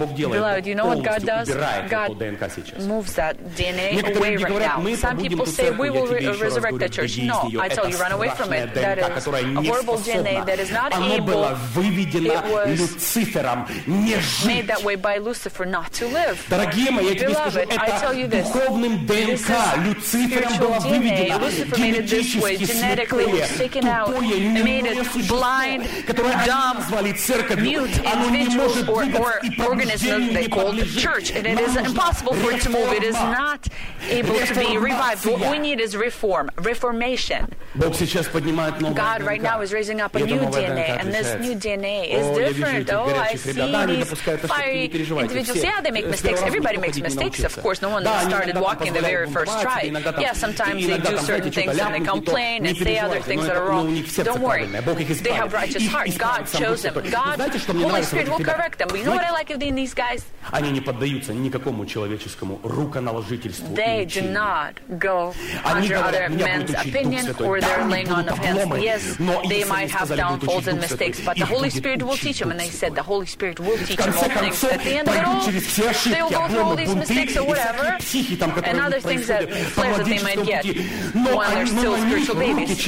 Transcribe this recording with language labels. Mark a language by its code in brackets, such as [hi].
[en] Beloved, you know what God does? God moves that DNA away right now. Some people say, we will resurrect the church. No, I tell you, run away from it. That is a horrible DNA that is not able. It was Lucifer'ом. Made that way by Lucifer not to live. [ru] Дорогие мои, я тебе скажу, это духовным ДНК Люцифером было выведено генетически слепое, тупое, которое они назвали церковью. Оно не может двигаться и пробуждению не подлежит. Нам нужно реформация. Бог сейчас поднимает новое ДНК. [en] God right now is raising up a new DNA, and this new DNA is different. Oh, I see. Individuals, they make mistakes. Everybody makes mistakes, of course. No one started walking the very first try. Yeah, sometimes they do certain things and they complain and say other things that are wrong. Don't worry. They have righteous hearts. God chose them. God, Holy Spirit will correct them. But you know what I like in these guys? [ru] Они не поддаются никакому человеческому руконаложительству. [en] They do not go under other men's opinion or their laying on of hands. Yes, they might have downfalls and mistakes, but the Holy Spirit will teach them. And they said, the Holy Spirit will teach them all things. At the end of it all, they will go through all these mistakes or whatever, and other things that flares that they might get while they're still spiritual babies.